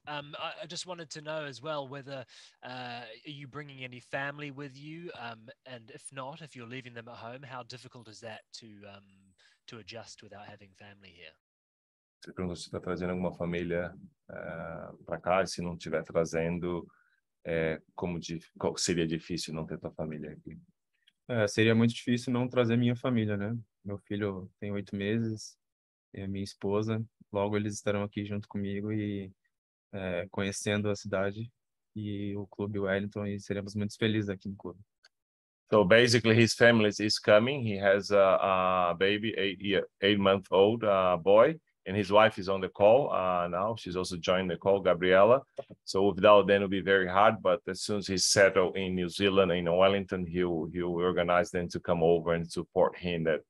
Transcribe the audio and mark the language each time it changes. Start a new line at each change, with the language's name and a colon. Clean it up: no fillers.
English: I just wanted to know as well whether are you bringing any family with you? And if not, if you're leaving them at home, how difficult is that to adjust without having family here?
Portuguese: Você perguntou se está trazendo alguma família para cá, se não estiver trazendo, qual seria difícil não ter tua família aqui? Seria muito difícil não trazer minha família, né? Meu filho tem 8 meses e a minha esposa. Logo eles estarão aqui junto comigo e conhecendo a cidade e o clube Wellington e seremos muito felizes aqui no clube.
English: So basically his family is coming. He has a baby, eight month old boy, and his wife is on the call now. She's also joined the call, Gabriela. So without them, it'll be very hard. But as soon as he's settled in New Zealand in Wellington, he'll organize them to come over and support him.